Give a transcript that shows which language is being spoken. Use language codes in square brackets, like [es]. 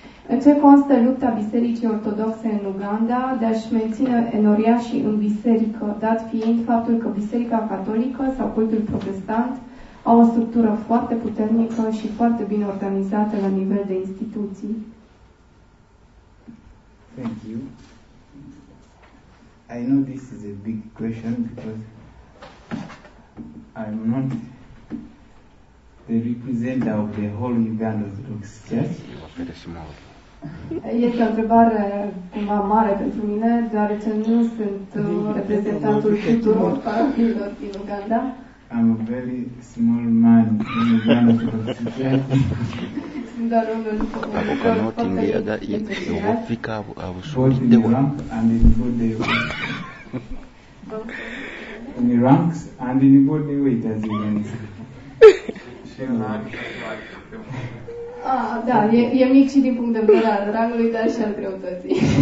[ro] În ce constă lupta Bisericii Ortodoxe în Uganda de a-și menține enoriașii în biserică, dat fiind faptul că Biserica Catolică sau cultul protestant au o structură foarte puternică și foarte bine organizată la nivel de instituții? [en] Thank you. I know this is a big question because I'm not the representative of the whole Uganda Orthodox Church. [ro] Este o întrebare cumva mare pentru mine, deoarece nu sunt reprezentantul tuturor parohiilor din Uganda. [en] I'm a very small man in Uganda. [ro] Sunt doar unul care poate fi interesat. [en] Both in the rank and in body weight. In the ranks and in body weight, as you can see. [ro] Da, e mic și din punct de vedere al rangului, dar și al greutății.